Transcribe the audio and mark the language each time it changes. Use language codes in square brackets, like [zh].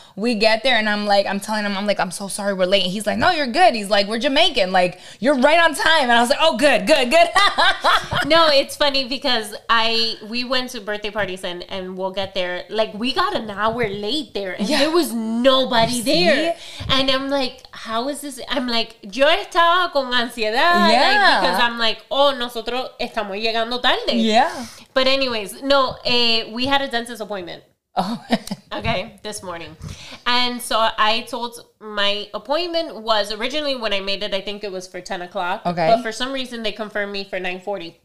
[en] We get there and I'm telling him, I'm so sorry we're late. And he's like, no, you're good. He's like, we're Jamaican. Like, you're right on time. And I was like, oh, good. No, it's funny because we went to birthday parties and we'll get there. Like, we got an hour late there and there was nobody there. And I'm like, how is this? I'm like, [es] yo estaba con ansiedad. [en] Yeah. Like, because I'm like, oh, [es] nosotros estamos llegando tarde. [en] Yeah. But anyways, no, we had a dentist appointment. Oh. Okay, this morning. And so I told my appointment was originally when I made it, I think it was for 10 o'clock. Okay. But for some reason, they confirmed me for 9:40.